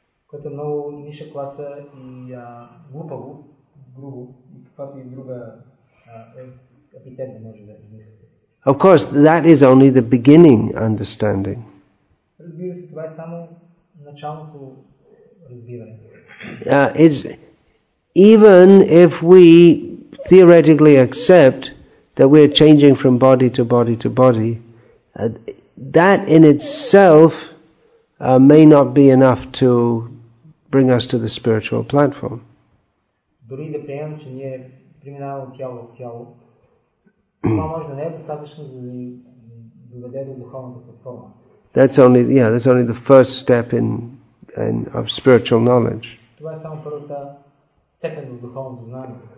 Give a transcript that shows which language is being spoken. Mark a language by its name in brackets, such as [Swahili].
[Bulgarian] Което е много ниша класа и глупаво, грубо, и каквато и друга епитет да може да измислите. [English] Of course, that is only the beginning understanding. [Bulgarian] Разбира се, това е само началното разбиране. [English] It's even if we theoretically accept that we are changing from body to body to body, that in itself may not be enough to bring us to the spiritual platform. [Bulgarian] Дори да приемем, че ние преминаваме от тяло в тяло, това може да не е достатъчно, за да ни доведе до духовната платформа. [English] That's only the first step in of spiritual knowledge. [Bulgarian] Това е само първата степен в духовното знание.